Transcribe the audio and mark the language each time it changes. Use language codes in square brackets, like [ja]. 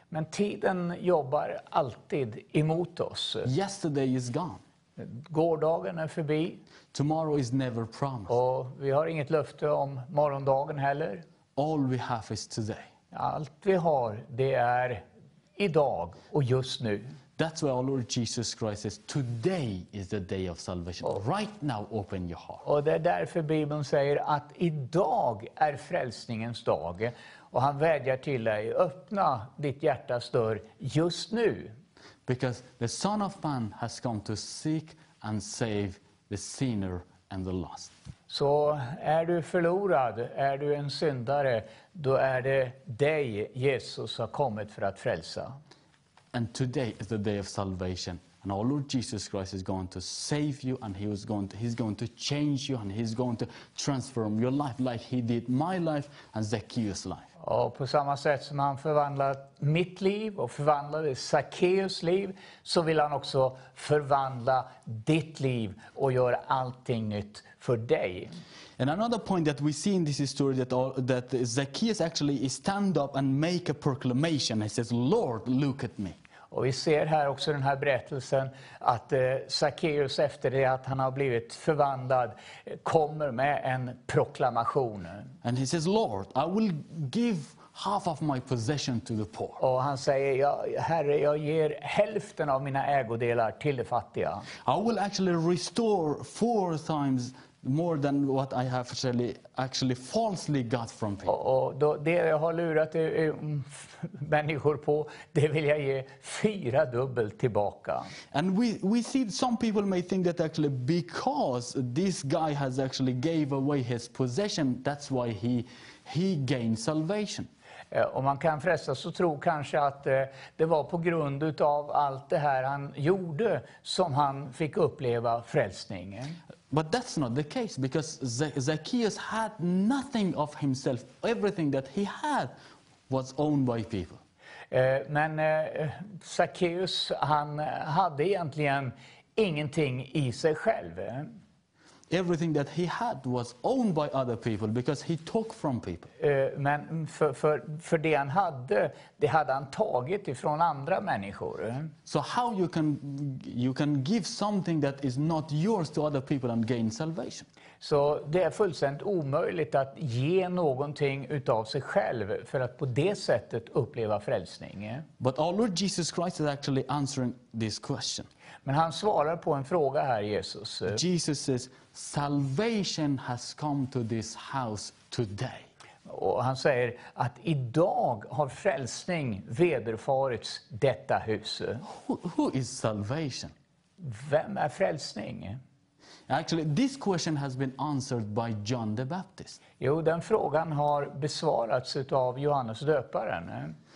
[sv] Men tiden jobbar alltid emot oss. [en] Yesterday is gone. [sv] Gårdagen är förbi. [en] Tomorrow is never promised. [sv] Och vi har inget löfte om morgondagen heller. [en] All we have is today. [sv] Allt vi har, det är idag och just nu. [en] That's why our Lord Jesus Christ says, today is the day of salvation. [sv] Och, [en] right now open your heart. [sv] Och det är därför Bibeln säger att idag är frälsningens dag. Och han vädjar till dig, öppna ditt hjärtas dörr just nu. [en] Because the Son of Man has come to seek and save the sinner and the lost. [sv] Så är du förlorad, är du en syndare, då är det dig Jesus har kommit för att frälsa. [en] And today is the day of salvation. And our Lord Jesus Christ is going to save you, and he's going to change you, and he's going to transform your life like he did my life and Zacchaeus' life. [sv] Och på samma sätt som han förvandlat mitt liv och förvandlade Zacchaeus liv, så vill han också förvandla ditt liv och göra allting nytt för dig. [en] And another point that we see in this story that Zacchaeus actually stand up and make a proclamation. He says, Lord, look at me. [sv] Och vi ser här också den här berättelsen att Zacchaeus, efter det att han har blivit förvandlad, kommer med en proklamation. [en] And he says, Lord, I will give half of my possession to the poor. [sv] Och han säger, ja, Herre, jag ger hälften av mina ägodelar till de fattiga. [en] I will actually restore four times more than what I have actually falsely got from people. [sv] Och då, det jag har lurat människor på, det vill jag ge fyra dubbelt tillbaka. [en] And we see some people may think that actually because this guy has actually gave away his possession, that's why he gained salvation. [sv] Om man kan fresta, så tror kanske att det var på grund av allt det här han gjorde som han fick uppleva frälsningen. [en] But that's not the case, because Zacchaeus had nothing of himself. Everything that he had was owned by people. [sv] Men Zacchaeus, han hade egentligen ingenting i sig själv. [en] Everything that he had was owned by other people because he took from people. [sv] Men för det han hade, det hade han tagit ifrån andra människor. [en] So how you can give something that is not yours to other people and gain salvation? [sv] Så det är fullständigt omöjligt att ge någonting utav sig själv för att på det sättet uppleva frälsning. [en] But our Lord Jesus Christ is actually answering this question. [sv] Men han svarar på en fråga här, Jesus. [en] Jesus says, salvation has come to this house today. [sv] Och han säger att idag har frälsning vederfarits detta hus. [en] Who is salvation? [sv] Vem är frälsning? [en] Actually, this question has been answered by John the Baptist. [sv] Jo, den frågan har besvarats utav Johannes döparen.